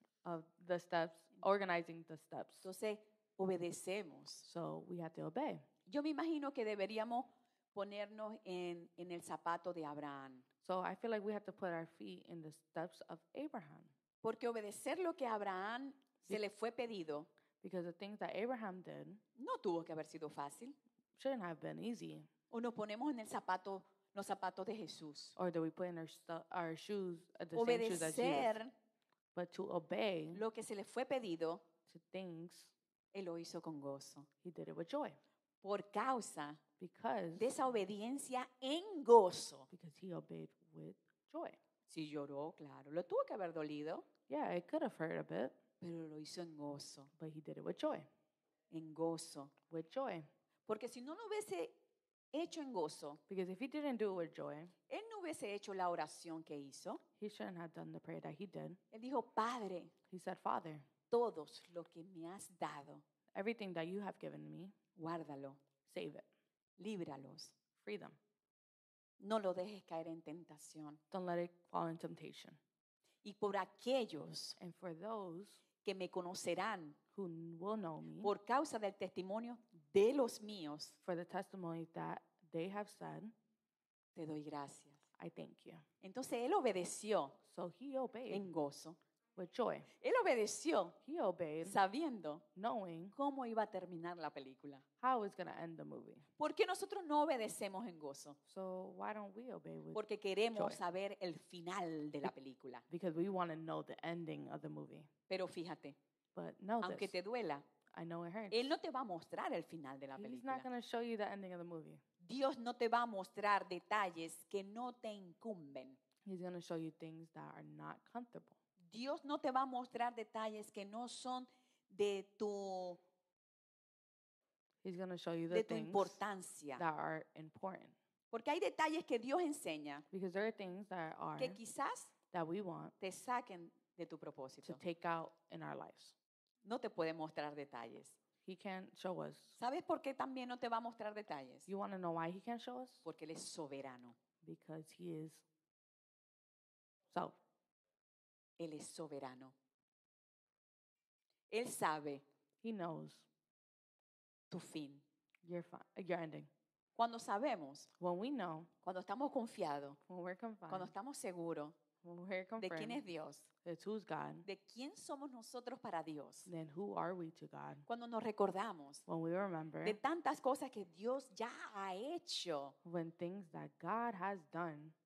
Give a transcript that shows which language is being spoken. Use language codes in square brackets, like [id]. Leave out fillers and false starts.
[en] of the steps, organizing the steps. [es] Entonces, obedecemos. [en] So we have to obey. [es] Yo me imagino que deberíamos ponernos en el zapato de Abraham. [en] So I feel like we have to put our feet in the steps of Abraham. [es] Porque obedecer lo que Abraham se le fue pedido. [en] Because the things that Abraham did. [es] No tuvo que haber sido fácil. [en] Shouldn't have been easy. [es] O nos ponemos en el zapato, los zapatos de Jesús. [en] Or do we put in our shoes, the [es] obedecer, [en] same shoes as Jesus. But to obey, [es] lo que se le fue pedido, [en] to things, [es] él lo hizo con gozo. [en] He did it with joy. [es] Por causa, [en] because, [es] de esa obediencia en gozo. [en] Because he obeyed with joy. [es] Si lloró, claro. Lo tuvo que haber dolido. [en] Yeah, it could have hurt a bit. [es] Pero lo hizo en gozo. [en] But he did it with joy. [es] En gozo. [en] With joy. [es] Porque si no lo hubiese hecho en gozo, [en] because if he didn't do it with joy, [es] él no hubiese hecho la oración que hizo. [en] He shouldn't have done the prayer that he did. [es] Él dijo, Padre, [en] he said, Father, [es] todos lo que me has dado, [en] everything that you have given me, [es] guárdalo, [en] save it, [es] líbralos, [en] free them, [es] no lo dejes caer en tentación, [en] don't let it fall in temptation, [es] y por aquellos, [en] and for those [es] que me conocerán, [en] who will know me, [es] por causa del testimonio de los míos, [en] for the testimony that they have said, [es] te doy gracias. [en] I thank you. [es] Entonces él obedeció. [en] So he obeyed. [es] En gozo. [en] With joy. [es] Él obedeció. [en] He obeyed. [es] Sabiendo. [en] Knowing. [es] Cómo iba a terminar la película. [en] How it's going to end the movie. [es] ¿Por qué nosotros no obedecemos en gozo? [en] So why don't we obey with joy? [es] Porque queremos [en] joy. [es] Saber el final de la película. [en] Because we want to know the ending of the movie. [es] Pero fíjate. [en] But know this. [es] Aunque te duela. [en] I know it hurts. [es] Él no te va a mostrar el final de la [en] He's [es] película. [en] He's not going to show you the ending of the movie. [es] Dios no te va a mostrar detalles que no te incumben. [en] He's going to show you things that are not comfortable. [es] Dios no te va a mostrar detalles que no son de tu [en] He's going to show you the [es] de tu importancia. [en] That are important. [es] Porque hay detalles que Dios enseña [en] Because there are things that are [es] que quizás [en] that we want [es] te saquen de tu propósito. [en] To take out in our lives. [es] No te puede mostrar detalles. [en] He can't show us. [es] ¿Sabes por qué también no te va a mostrar detalles? [en] You want to know why he can't show us? [es] Porque él es soberano. [en] Because he is sovereign. [es] Él es soberano. Él sabe. [en] He knows. [es] Tu fin. [en] Your ending. [es] Cuando sabemos. [en] When we know. [es] Cuando estamos confiados. [en] When we're confident. [es] Cuando estamos seguros. [en] When we're confirmed. [es] De quién es Dios. [en] It's who's God. [es] De quién somos nosotros para Dios. [en] Then who are we to God. [es] Cuando nos recordamos. [en] When we remember. [es] De tantas cosas que Dios ya ha hecho. [en] When things that God has done.